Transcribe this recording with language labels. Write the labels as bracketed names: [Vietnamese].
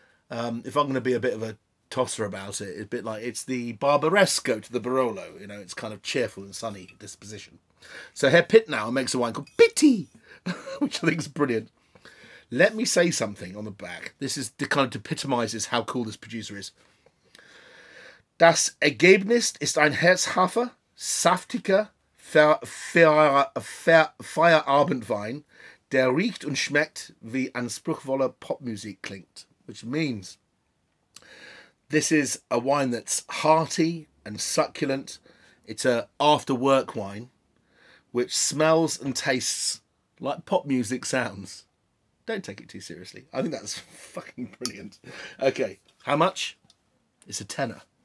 [English] If I'm going to be a bit of a tosser about it, it's a bit like it's the Barbaresco to the Barolo. You know, it's kind of cheerful and sunny disposition. So Herr Pittnauer makes a wine called Pitti, which I think is brilliant. Let me say something on the back. This is to kind of epitomises how cool this producer is. [German] Das Ergebnis ist ein herzhafter, saftiger, Feierabendwein, der riecht und schmeckt wie anspruchsvolle Popmusik klingt. [English] Which means this is a wine that's hearty and succulent. It's a after-work wine which smells and tastes like pop music sounds. Don't take it too seriously. I think that's fucking brilliant. Okay, how much? It's a tenner.